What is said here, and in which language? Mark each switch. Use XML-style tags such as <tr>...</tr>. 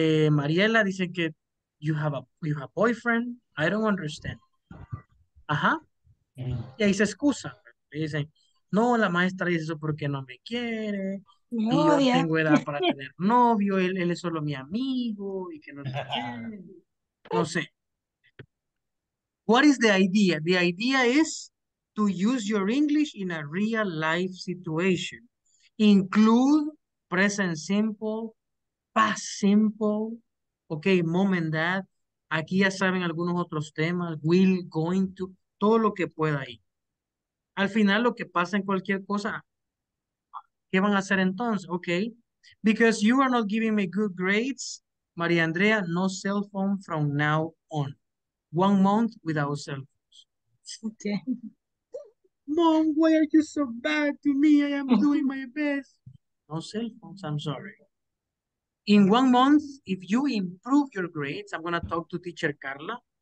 <es>Mariela dice que</es> <en>you have a boyfriend. I don't understand. Ajá.</en> <es>Y ahí se excusa. Y dicen, no, la maestra dice eso porque no me quiere. Y yo tengo edad para tener novio, él es solo mi amigo, y que no sé. No sé.</es> <en>What is the idea? The idea is to use your English in a real life situation. Include present simple, past simple, okay, mom and dad.</en> <es>Aquí ya saben algunos otros temas, will, going to, todo lo que pueda ahí. Al final lo que pasa en cualquier cosa, ¿qué van a hacer entonces?</es> <en>Okay. Because you are not giving me good grades, María Andrea, no cell phone from now on. 1 month without cell phones. Okay. Mom, why are you so bad to me? I am doing my best. No cell phones, I'm sorry. In 1 month, if you improve your grades, I'm going to talk to teacher Carla.</en>